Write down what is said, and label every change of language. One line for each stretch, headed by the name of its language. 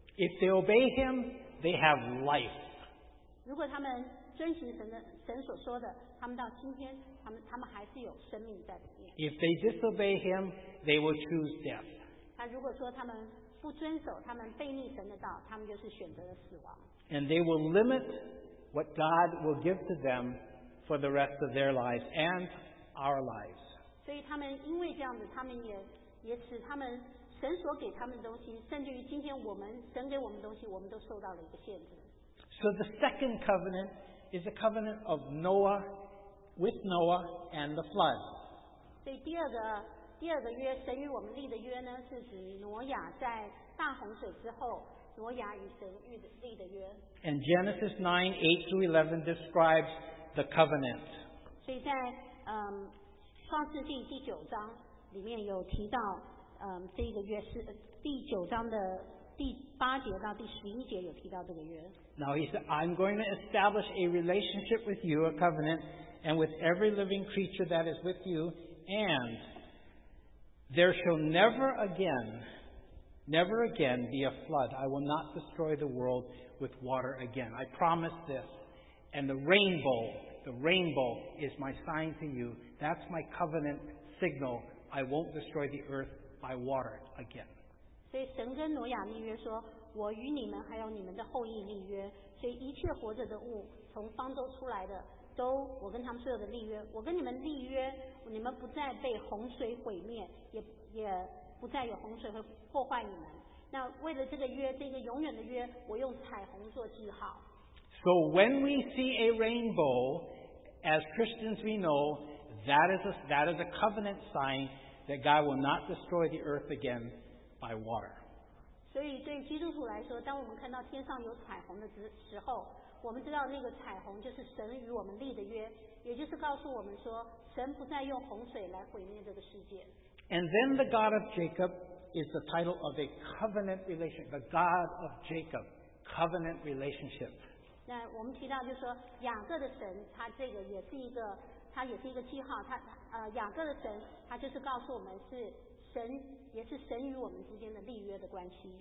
English: If they obey him, they have life.
Chinese: 如果他们遵循神所说的，他们到今天他们还是有生命在里面。
English: If they disobey him, they will choose death.
Chinese: 他如果说他们不遵守，他们悖逆神的道，他们就是选择了死亡。
English: And they will limit what God will give to them for the rest of their lives and our lives.
Chinese: 所以他们因为这样子，他们也使他们神所给他们的东西，甚至于今天我们神给我们的东西，我们都受到了一个限制。
English: So the second covenant is a covenant of Noah with Noah and the flood.
Chinese: 所以第二个约，神与我们立的约呢，是指挪亚在大洪水之后，挪亚与神立的约。
English: And Genesis 9:8-11 describes the covenant.
Chinese: 所以在创世纪第九章里面有提到，这个约是第九章的第八节到第十一节有提到这个约。
English: Now he said, I'm going to establish a relationship with you, a covenant, and with every living creature that is with you, and there shall never again be a flood. I will not destroy the world with water again. I promise this. And the rainbow is my sign to you. That's my covenant signal. I won't destroy the earth by water again.
Chinese: 所以神跟挪亚立约说，我与你们还有你们的后裔立约，所以一切活着的物从方舟出来的都，我跟他们所有的立约，我跟你们立约，你们不再被洪水毁灭，也不再有洪水会破坏你们。那为了这个约，这个永远的约，我用彩虹做记号。
English: So when we see a rainbow, as Christians we know, that is a covenant sign that God will not destroy the earth again by water.
Chinese: 所以对基督徒来说，当我们看到天上有彩虹的时候，我们知道那个彩虹就是神与我们立的约，也就是告诉我们说，神不再用洪水来毁灭这个世界。
English: And then the God of Jacob is the title of a covenant relationship, the God of Jacob, covenant relationship.
Chinese: 那我们提到就是说，雅各的神，他这个也是一个，他也是一个记号。他雅各的神，他就是告诉我们是神，也是神与我们之间的立约的关系。